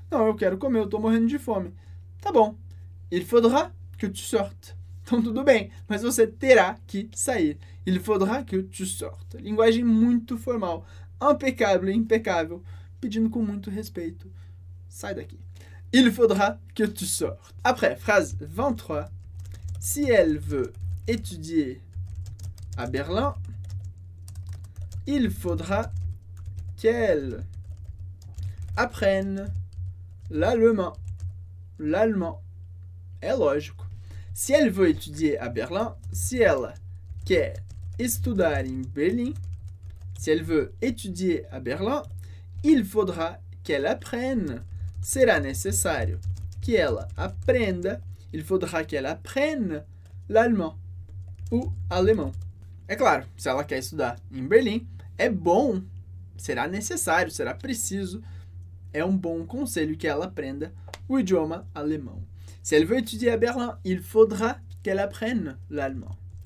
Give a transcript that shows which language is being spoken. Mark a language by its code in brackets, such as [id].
[pt] Não, eu quero comer, eu tô morrendo de fome. Tá bom. [fr] Il faudra que tu sortes. [pt] Então tudo bem, mas você terá que sair. [fr] Il faudra que tu sortes. [pt] Linguagem muito formal. Impecável, impecável. Pedindo com muito respeito. Sai daqui. [fr] Il faudra que tu sortes. Après, phrase 23. Si elle veut étudier à Berlin, il faudra qu'elle apprenne l'allemand. L'allemand. [pt] É lógico. [fr] Si elle veut étudier à Berlin, si [pt] ela quer estudar em Berlim, [fr] si elle veut étudier à Berlin, il faudra qu'elle apprenne. [pt] Será necessário que ela aprenda. [fr] Il faudra qu'elle apprenne l'allemand. [pt] O alemão. É claro, se ela quer estudar em Berlim, é bom, será necessário, será preciso, é um bom conselho que ela aprenda o idioma alemão. [fr] Si elle veut étudier à Berlin, il faudra qu'elle apprenne l'allemand.